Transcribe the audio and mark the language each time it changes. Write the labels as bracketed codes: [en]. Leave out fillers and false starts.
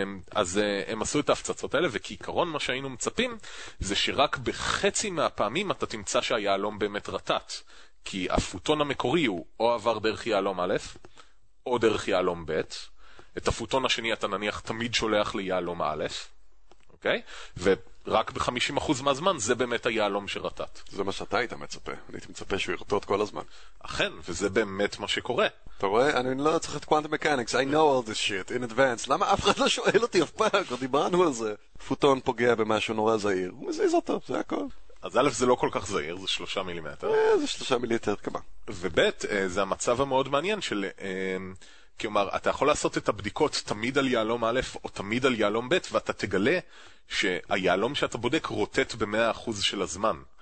[he] אז הם עשו את ההפצצות האלה, וכעיקרון מה שהיינו מצפים זה שרק בחצי מהפעמים אתה תמצא שהיהלום באמת רטט, כי הפוטון המקורי הוא או עבר דרך יהלום א' או דרך יהלום ב', את הפוטון השני אתה נניח תמיד שולח ליהלום א', אוקיי? ורק ב-50% מהזמן זה באמת היהלום שרטט. זה מה שאתה היית מצפה, אני הייתי מצפה שהוא ירטוט כל הזמן. אכן, וזה באמת מה שקורה. אתה רואה? אני לא צריך את [en] quantum mechanics, I know all this shit in advance. [he] למה אף אחד לא שואל אותי אף פעם? כבר דיברנו על זה. פוטון פוגע במשהו נורא זהיר, הוא מזיז אותו, זה הכל. אז א', זה לא כל כך זהיר, זה 3 מילימטר. זה 3 מילימטר, כמה. וב', זה המצב המאוד מעניין של, כלומר, אתה יכול לעשות את הבדיקות תמיד על יהלום א' או תמיד על יהלום ב', ואתה תגלה שהיהלום שאתה בודק רוטט ב-100% של הזמן.